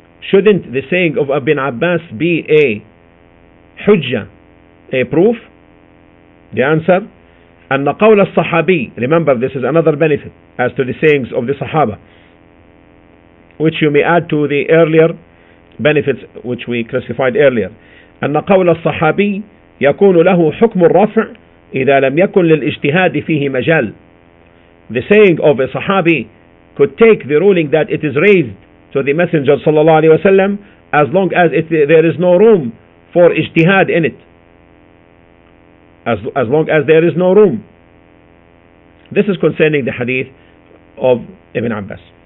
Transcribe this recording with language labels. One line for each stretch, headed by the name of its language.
English: Shouldn't the saying of Ibn Abbas be a hujjah, a proof? The answer,
Arabic: أن قول الصحابي,
English: remember, this is another benefit as to the sayings of the Sahaba, which you may add to the earlier benefits which we classified earlier.
Arabic: أن قول الصحابي يكون له حكم الرفع إذا لم يكن للإجتهاد فيه مجال.
English: The saying of a Sahabi could take the ruling that it is raised to the Messenger
Arabic: صلى الله عليه وسلم
English: as long as there is no room for إجتهاد in it. As long as there is no room. This is concerning the hadith of Ibn Abbas.